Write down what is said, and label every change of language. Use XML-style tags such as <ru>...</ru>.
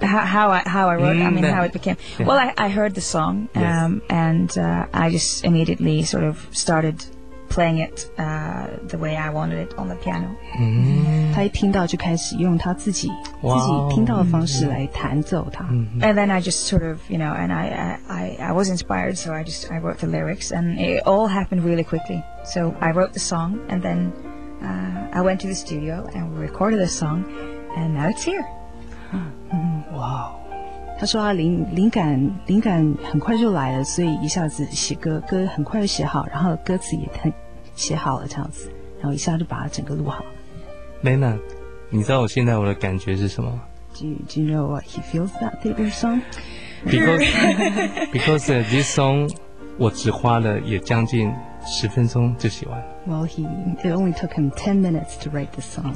<en>How I wrote it, I mean, how it became. Yeah. Well, I heard the song, and I just immediately sort of started. Playing it the way I wanted it on the piano.</en> <zh>他一听到就开始用他自己听到的方式来弹奏它。</zh> <en>And then I just sort of, you know, and I was inspired, so I wrote the lyrics, and it all happened really quickly. So I wrote the song, and then I went to the studio and we recorded the song, and now it's here. Wow.</en> <zh>他说他灵感很快就来了，所以一下子写歌很快就写好，然后歌词也写好了这样子，然后一下就把它整个录好了。Lena, 你知道我现在我的感觉是什么吗？</zh> <en>Do you know what he feels that theater song? Because this song,</en> <zh>我只花了也将近十分钟就写完了。</zh> <en>Well, it only took him 10 minutes to write this song.</en>